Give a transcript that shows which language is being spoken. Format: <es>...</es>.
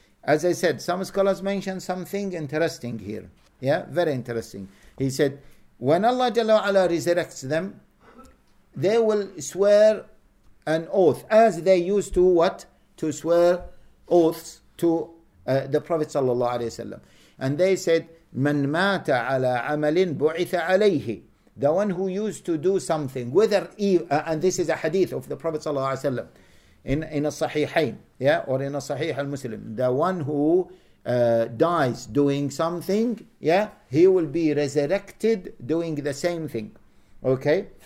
<en>As I said, some scholars mentioned something interesting here. Yeah, very interesting. He said, when Allah Jalla Ala resurrects them, they will swear an oath as they used to what? To swear oaths to the Prophet Sallallahu Alaihi Wasallam. And they said,</en> <ar>من مات على عمل بعث عليه.</ar> <en>The one who used to do something, whether and this is a hadith of the Prophet صلى الله عليه وسلم in a Sahihain, yeah, or in a Sahih al-Muslim. The one who dies doing something, yeah, he will be resurrected doing the same thing, okay?</en>